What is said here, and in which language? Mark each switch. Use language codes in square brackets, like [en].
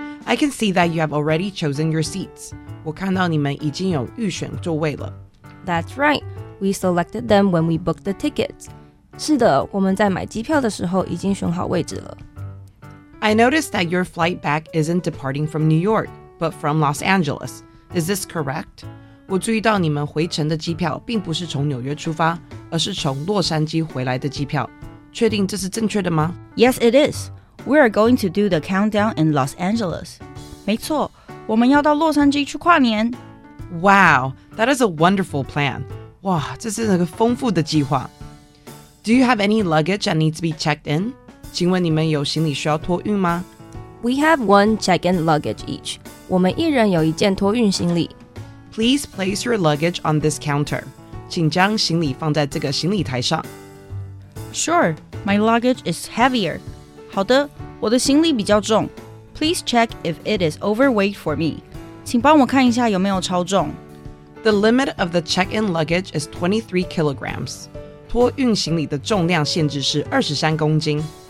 [en] I can see that you have already chosen your seats. [zh] 我看到你们已经有预选座位了。 [en] That's right. We selected them when we booked the tickets. [zh] 是的，我们在买机票的时候已经选好位置了。 [en] I noticed that your flight back isn't departing from New York, but from Los Angeles. Is this correct? [zh] 我注意到你们回程的机票并不是从纽约出发，而是从洛杉矶回来的机票。确定这是正确的吗？ [en] Yes, it is. We are going to do the countdown in Los Angeles. [zh] 没错，我们要到洛杉矶去跨年。 [en] Wow, that is a wonderful plan. [zh] 哇，这是一个丰富的计划。 [en] Do you have any luggage that needs to be checked in? [zh] 请问你们有行李需要托运吗？ [en] We have one check-in luggage each. [zh] 我们一人有一件托运行李。 [en] Please place your luggage on this counter. [zh] 请将行李放在这个行李台上。 [en] Sure, my luggage is heavier. [zh] 好的，我的行李比较重。 [en] Please check if it is overweight for me. [zh] 请帮我看一下有没有超重。 [en] The limit of the check-in luggage is 23 kilograms. [zh] 托运行李的重量限制是23公斤。